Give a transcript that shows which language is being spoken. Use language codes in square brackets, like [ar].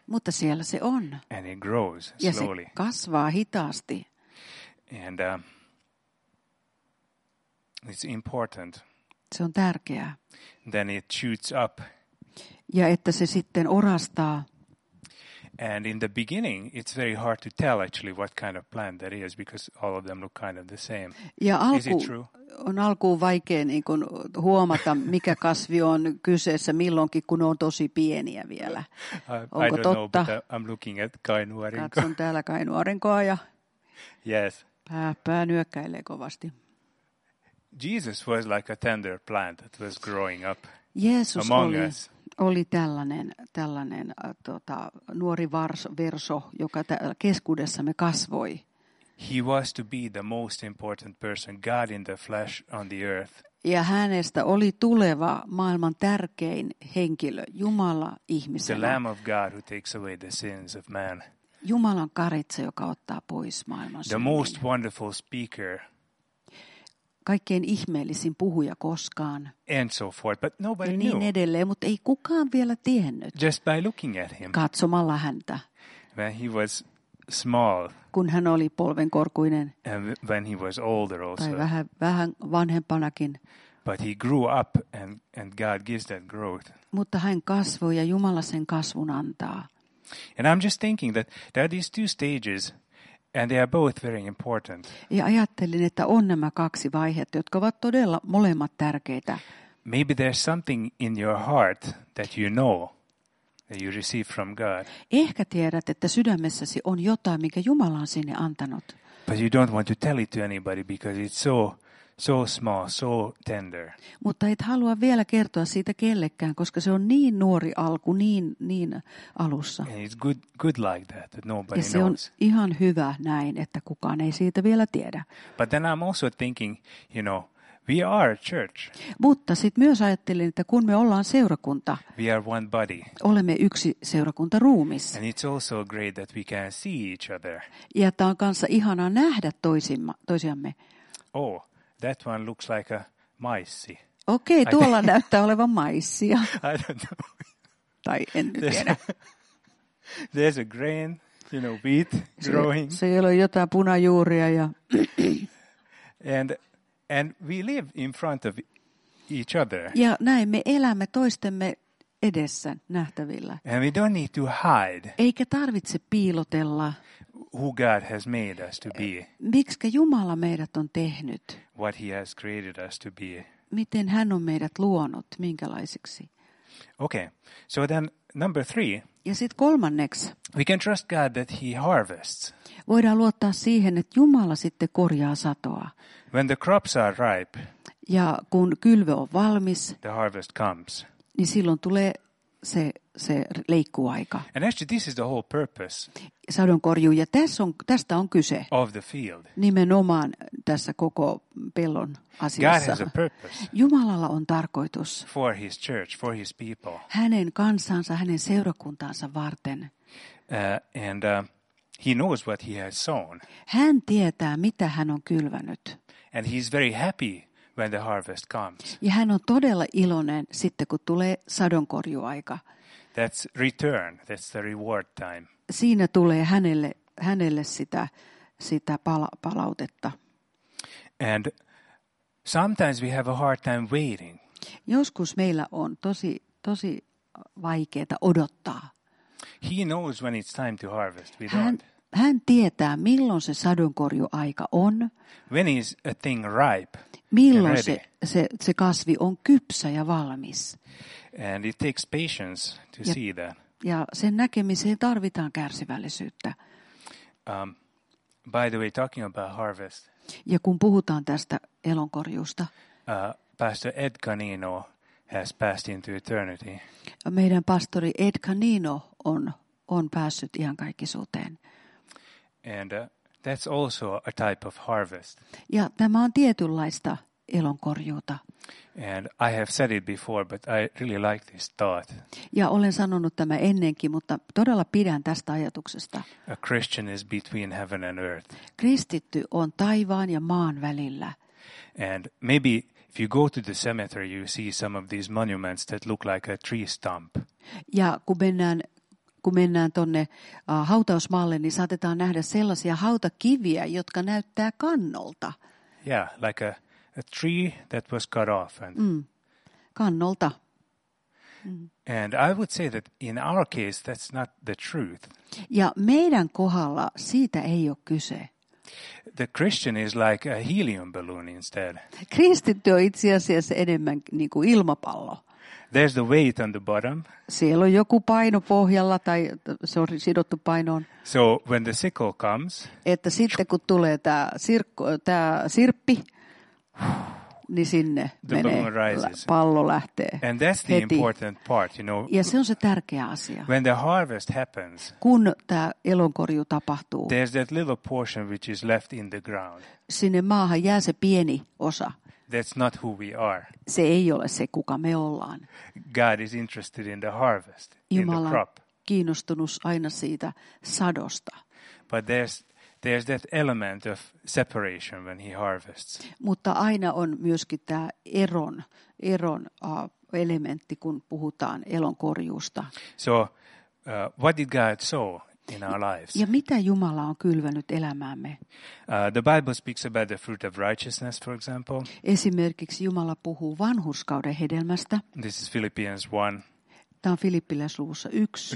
[fi] Mutta siellä se on. [en] And it grows slowly. [fi] Ja se kasvaa hitaasti. [en] And it's important. [fi] Se on tärkeää. [en] Then it shoots up. [fi] Ja että se sitten orastaa. [en] And in the beginning it's very hard to tell actually what kind of plant that is because all of them look kind of the same. [fi] Ja on alkuun vaikea niin kuin huomata mikä kasvi on kyseessä milloinkin kun ne on tosi pieniä vielä. Onko [en] I don't [fi] totta? [en] Know, but I'm looking at kainuorinko. [fi] Katson täällä kainuorinkoa ja [en] yes. [fi] Pää nyökkäilee kovasti. [en] Jesus was like a tender plant that was growing up. [fi] Jeesus [en] among [fi] oli [en] us. [fi] Oli tällainen nuori verso, joka täällä keskuudessamme kasvoi. [en] He was to be the most important person, God in the flesh on the earth. [fi] Ja hänestä oli tuleva maailman tärkein henkilö, Jumala ihmisenä. [en] The Lamb of God who takes away the sins of man. [fi] Jumalan karitsa, joka ottaa pois maailman synnin. [en] The most wonderful speaker. [fi] Kaikkein ihmeellisin puhuja koskaan. [en] And so forth, but nobody [fi] ja niin [en] knew. [fi] Edelleen, mutta ei kukaan vielä tiennyt. [en] Just by looking at him. [fi] Katsomalla häntä. [en] When he was small. [fi] Kun hän oli polvenkorkuinen. [en] And when he was older also. [fi] Tai vähän vanhempanakin. [en] But he grew up and God gives that growth. [fi] Mutta hän kasvoi ja Jumala sen kasvun antaa. [en] And I'm just thinking that there are these two stages. And they are both very important. [fi] Ja ajattelin, että on nämä kaksi vaihetta, jotka ovat todella molemmat tärkeitä. [en] Maybe there's something in your heart that you know that you receive from God. [fi] Ehkä tiedät, että sydämessäsi on jotain, mikä Jumala on sinne antanut. [en] But you don't want to tell it to anybody because it's so small, so tender. [fi] Mutta et halua vielä kertoa siitä kellekään, koska se on niin nuori alku, niin alussa. [en] And it's good like that, that nobody [fi] ja se [en] knows. [fi] On ihan hyvä näin, että kukaan ei siitä vielä tiedä. [en] But then I'm also thinking, you know, we are a church. [fi] Mutta sitten myös ajattelin, että kun me ollaan seurakunta, [en] we are one body. [fi] Olemme yksi seurakuntaruumis. [en] And it's also great that we can see each other. [fi] Ja tämä on kanssa ihanaa nähdä toisiamme. [en] Oh. That one looks like a maissi. [fi] Okei, tuolla näyttää olevan maissia. [en] I don't know. [fi] Tai en nyt tiedä. [en] There's a grain, you know, wheat growing. [fi] Siellä on jotain punajuuria ja [en] and we live in front of each other. [fi] Ja näin me elämme toistemme edessä nähtävillä. [en] And we don't need to hide. [fi] Eikä tarvitse piilotella. [en] Who God has made us to be. [fi] Miksikä Jumala meidät on tehnyt? [en] What he has created us to be. [fi] Miten hän on meidät luonut, minkälaisiksi? [en] Okay, so then number three. [fi] Ja sit kolmanneksi. [en] We can trust God that he harvests. [fi] Voidaan luottaa siihen, että Jumala sitten korjaa satoa. [en] When the crops are ripe. [fi] Ja kun kylvö on valmis. [en] The harvest comes. [fi] Niin silloin tulee se leikkuaika. [en] And actually this is the whole purpose. [fi] Sadonkorjuu ja tästä on kyse. [en] Of the field. [fi] Nimenomaan tässä koko pellon asiassa. [en] God has a purpose. [fi] Jumalalla on tarkoitus. [en] For his church, for his people. [fi] Hänen kansansa, hänen seurakuntaansa varten. [en] He knows what he has sown. [fi] Hän tietää mitä hän on kylvänyt. [en] And he's very happy when the harvest comes. [fi] Ja hän on todella iloinen sitten kun tulee sadonkorjuaika. [en] That's return. That's the reward time. [fi] Siinä tulee hänelle sitä palautetta. [en] And sometimes we have a hard time waiting. [fi] Joskus meillä on tosi vaikeeta odottaa. [en] He knows when it's time to harvest. We don't. [fi] Hän tietää milloin se sadonkorjuaika on. [en] When is a thing ripe? [fi] Milloin se kasvi on kypsä ja valmis? [en] And it takes patience to see that. [fi] Ja sen näkemiseen tarvitaan kärsivällisyyttä. [en] By the way, talking about harvest. [fi] Ja kun puhutaan tästä elonkorjuusta. [en] Pastor Ed Canino has passed into eternity. [fi] Meidän pastori Ed Canino on päässyt iankaikkisuuteen. [en] And that's also a type of harvest. [fi] Ja tämä on tietynlaista ilonkorjuuta. [en] And I have said it before, but I really like this thought. [fi] Ja olen sanonut tämä ennenkin, mutta todella pidän tästä ajatuksesta. [en] A Christian is between heaven and earth. [fi] Kristitty on taivaan ja maan välillä. [en] And maybe if you go to the cemetery, you see some of these monuments that look like a tree stump. [fi] Ja kun mennään tonne hautausmaalle, niin saatetaan nähdä sellaisia hautakiviä, jotka näyttää kannolta. [en] Yeah, like a tree that was cut off and [fi] kannolta. [en] And I would say that in our case that's not the truth. [fi] Ja meidän kohdalla siitä ei ole kyse. [en] The Christian is like a helium balloon instead. [fi] Kristitty on itse asiassa enemmän niin kuin ilmapallo. [en] There's the weight on the bottom. [fi] Siellä on joku paino pohjalla tai se on sidottu painoon. [en] So when the sickle comes. [fi] Että sitten kun tulee tämä sirppi, niin sinne menee, pallo lähtee. [en] And that's the [fi] heti. [en] Important part, you know. [fi] Ja se on se tärkeä asia. [en] When the harvest happens. [fi] Kun tämä elonkorju tapahtuu. [en] There's that little portion which is left in the ground. [fi] Sinne maahan jää se pieni osa. [en] That's not who we are. [fi] Se ei ole se kuka me ollaan. [en] God is interested in the harvest, [fi] Jumala [en] in the crop. [fi] Kiinnostunut aina siitä sadosta. [en] But there's that element of separation when he harvests. [fi] Mutta aina on myöskin tämä eron elementti kun puhutaan elonkorjuusta. [en] So what did God sow in our lives? [fi] Ja mitä Jumala on kylvänyt elämäämme? [en] The Bible speaks about the fruit of righteousness, for example. [fi] Esimerkiksi Jumala puhuu vanhurskauden hedelmästä. [en] This is Philippians 1. [fi] Tämä on Filippiläisluvussa 1.